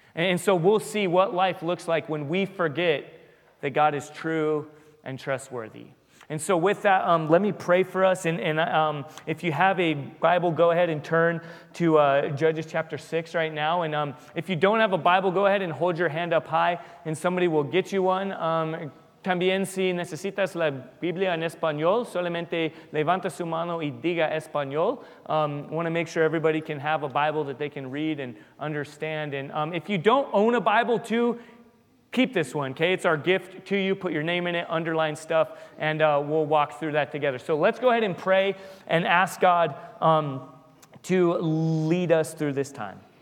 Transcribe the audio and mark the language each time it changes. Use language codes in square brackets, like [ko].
[en] And so we'll see what life looks like when we forget that God is true and trustworthy. And so with that, let me pray for us. And if you have a Bible, go ahead and turn to Judges chapter 6 right now. And if you don't have a Bible, go ahead and hold your hand up high, and somebody will get you one. [es] También si necesitas la Biblia en español, solamente levanta su mano y diga español. [en] Want to make sure everybody can have a Bible that they can read and understand. And if you don't own a Bible too, keep this one, okay? It's our gift to you. Put your name in it, underline stuff, and we'll walk through that together. So let's go ahead and pray and ask God to lead us through this time.